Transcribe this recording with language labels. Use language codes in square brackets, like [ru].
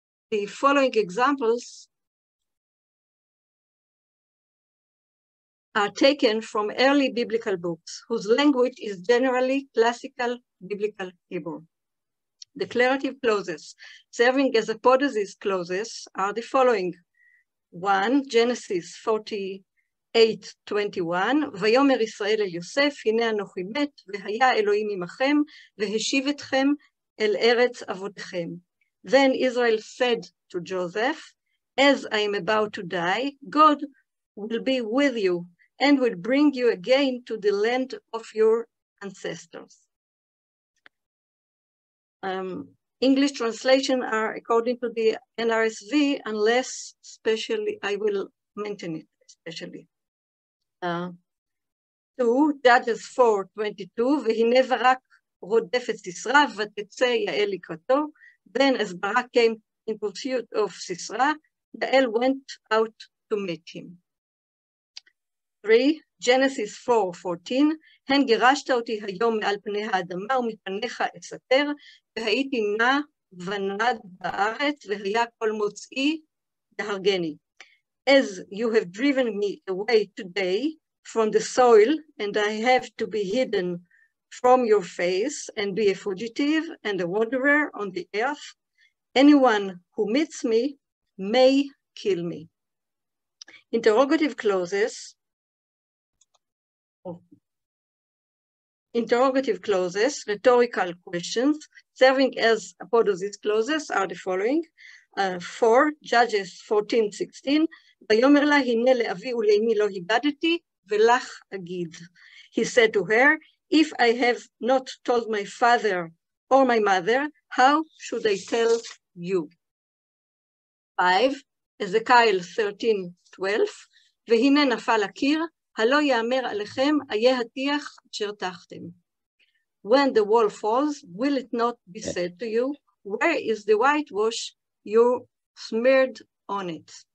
[en] The following examples are taken from early biblical books whose language is generally classical biblical Hebrew. Declarative clauses serving as apodosis clauses are the following. One, Genesis 48:21, [he] ויאמר ישראל אל יוסף, הנה אנוכי מת, והיה אלוהים עמכם, והשיב אתכם אל ארץ אבותיכם. [en] Then Israel said to Joseph, as I am about to die, God will be with you and will bring you again to the land of your ancestors. English translation are according to the NRSV, unless specially, I will mention it especially. Two, Judges 4:22, [he] והנה ברק רודף את סיסרא, ותצא יעל לקראתו. [en] Then as Barak came in pursuit of Sisra, Yael went out to meet him. Three, Genesis 4:14, [he] הן גירשת אותי היום מעל פני האדמה ומפניך אסתר, והייתי נע ונד בארץ, והיה כל מוצאי להרגני. [en] As you have driven me away today from the soil, and I have to be hidden from your face and be a fugitive and a wanderer on the earth, anyone who meets me may kill me. Interrogative clauses. Interrogative clauses, rhetorical questions, serving as apodosis clauses are the following. Four, Judges 14:16, [he] ויאמר לה, הנה לאבי ולאמי לא הגדתי, ולך אגיד. [en] He said to her, if I have not told my father or my mother, how should I tell you? Five, Ezekiel 13:12, [he] והנה נפל הקיר, הלא יאמר עליכם, איה הטיח אשר טחתם. [en] When the wall falls, will it not be said to you, where is the whitewash you smeared on it?